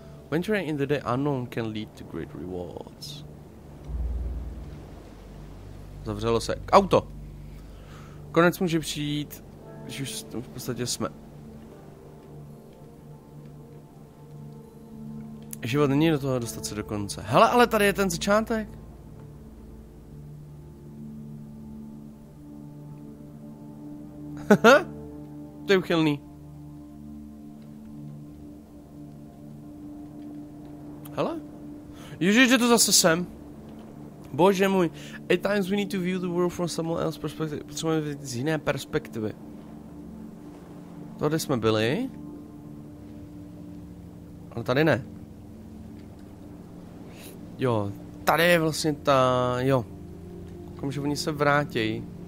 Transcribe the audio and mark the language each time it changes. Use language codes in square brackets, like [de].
[en] Venturing in the day unknown can lead to great rewards. [cs] Zavřelo se. Auto! Konec může přijít, když už v podstatě jsme. Život není do toho dostat se do konce. Hele, ale tady je ten začátek. To je uchylný. Hele. Ježiš, jde to zase sem. Bože můj. [en] At times we need to view the world from someone else's perspective. [cs] Potřebujeme vidět z jiné perspektivy. Tady jsme byli. Ale tady ne. Jo, tady je vlastně ta, jo. Koukám, že oni se vrátějí.